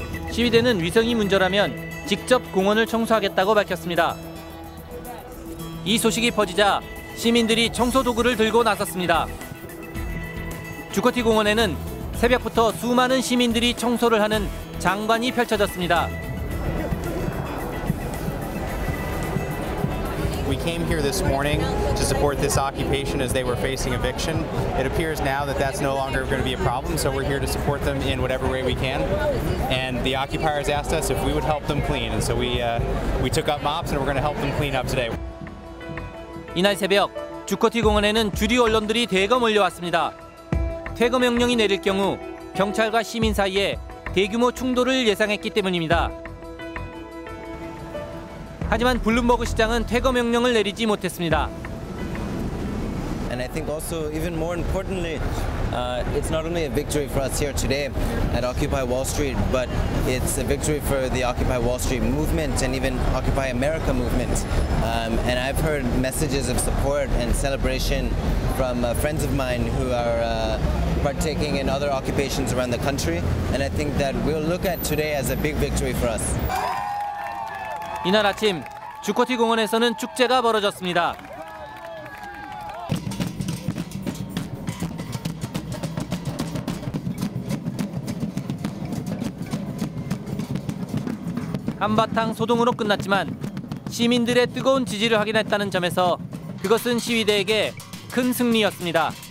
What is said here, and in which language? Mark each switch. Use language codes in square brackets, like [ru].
[ko] 시위대는 위성이 문제라면 직접 공원을 청소하겠다고 밝혔습니다. 이 소식이 퍼지자 시민들이 청소 도구를 들고 나섰습니다. 주커티 공원에는 새벽부터 수많은 시민들이 청소를 하는 장관이 펼쳐졌습니다. [en] We came here this morning to support this occupation as they were facing eviction. It appears now that that's no longer going to be a problem, so we're here to support them in whatever way we can. And the occupiers asked us if we would help them clean, and so we took up mops and we're going to help them clean up today. [ko] 이날 새벽 주커티 공원에는 주류 언론들이 대거 몰려왔습니다. 퇴거 명령이 내릴 경우 경찰과 시민 사이에 대규모 충돌을 예상했기 때문입니다. 하지만 블룸버그 시장은 퇴거 명령을 내리지 못했습니다. [en] And I think also even more importantly, it's not only a victory for us here today at Occupy Wall Street, but it's a victory for the Occupy Wall Street movement and even Occupy America movement. And I've heard messages of support and celebration from friends of mine who are partaking in other occupations around the country. And I think that we'll look at today as a big victory for us. [ko] 이날 아침 주커티 공원에서는 축제가 벌어졌습니다. 한바탕 소동으로 끝났지만 시민들의 뜨거운 지지를 확인했다는 점에서 그것은 시위대에게 큰 승리였습니다.